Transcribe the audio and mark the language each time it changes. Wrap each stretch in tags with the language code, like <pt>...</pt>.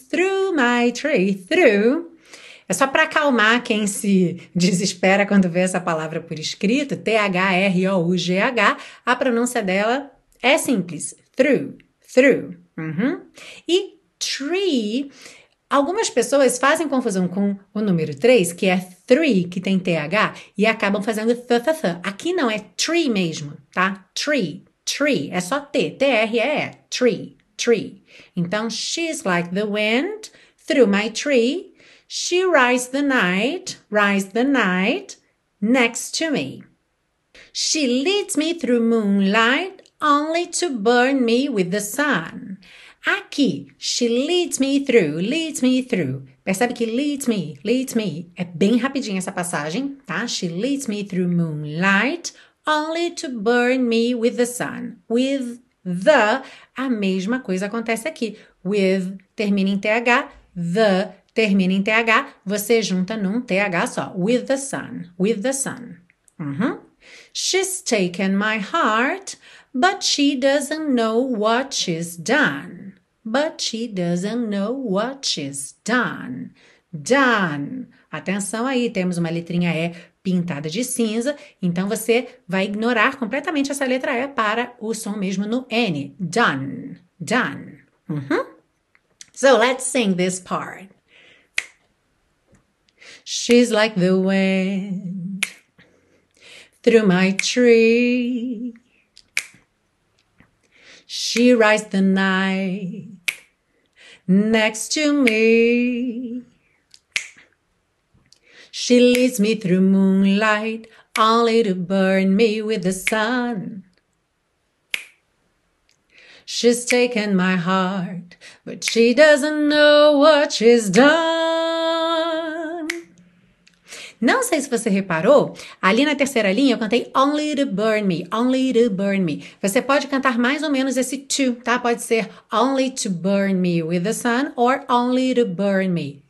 <en>Through my tree, through.</en> <pt>É só para acalmar quem se desespera quando vê essa palavra por escrito, THROUGH, a pronúncia dela é simples, through, through. E tree, algumas pessoas fazem confusão com o número 3, que é three, que tem TH, e acabam fazendo th-th-th. Aqui não é tree mesmo, tá? Tree, tree, é só T, T-R-E-E, tree, tree. Então,</pt> <en>she's like the wind through my tree. She rides the night next to me. She leads me through moonlight only to burn me with the sun.</en> <pt>Aqui,</pt> <en>she leads me through.</en> <pt>Percebe que</pt> <en>leads me</en> <pt>é bem rapidinho essa passagem, tá?</pt> <en>She leads me through moonlight only to burn me with the sun. With the,</en> <pt>a mesma coisa acontece aqui. With termina em TH, the termina em TH, você junta num TH só.</pt> <en>With the sun, with the sun. She's taken my heart, but she doesn't know what she's done. But she doesn't know what she's done. Done.</en> <pt>Atenção aí, temos uma letrinha E pintada de cinza, então você vai ignorar completamente essa letra E para o som mesmo no N.</pt> <en>Done, done. So let's sing this part. She's like the wind through my tree. She rides the night next to me. She leads me through moonlight only to burn me with the sun. She's taken my heart, but she doesn't know what she's done.</en> <pt>Não sei se você reparou, ali na terceira linha eu cantei</pt> <en>only to burn me,</en> <pt>only to burn me. Você pode cantar mais ou menos esse to, tá? Pode ser</pt> <en>only to burn me with the sun or only to burn me.</en>